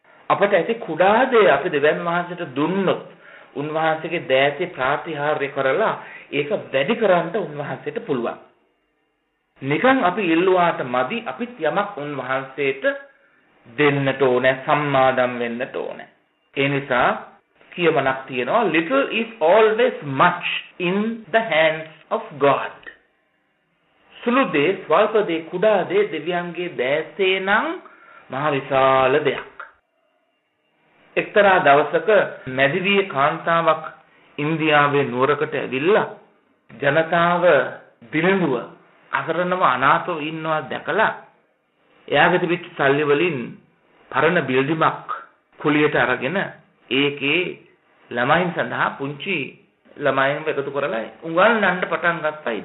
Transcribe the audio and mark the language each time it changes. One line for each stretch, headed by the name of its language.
Sinhala: අපට ඇති කුඩා දේ අපි දෙවියන් වහන්සේට දුන්නොත් උන්වහන්සේගේ දෑතේ ප්‍රාතිහාර්ය කරලා ඒක වැඩි කරන්න උන්වහන්සේට පුළුවන්. නිකන් අපි ඉල්ලුවාට මදි, අපිත් යමක් උන්වහන්සේට දෙන්නට ඕනේ, සම්මාදම් වෙන්නට ඕනේ. එනිසා කියමනක් තියෙනවා
English: little is always much in the hands of God.
Sinhala: සුළු දේ ස්වල්ප දේ කුඩා දේ දෙවියන්ගේ දෑසේ නම් මහ විශාල දෙයක්. එක්තරා දවසක මැදිවිය කාන්තාවක් ඉන්දියාවේ නුවරකට ඇවිල්ලා ජනතාව දිලිඳුව අසරණව අනාථව ඉන්නවා දැකලා එයාගේ තිබිච්ච සල්ලි වලින් පරණ බිල්දිමක් කුලියට අරගෙන ඒකේ ළමයින් සඳහා පුංචි ළමයින්ව එකතු කරලා උගන්වන්න පටන් ගත්තා.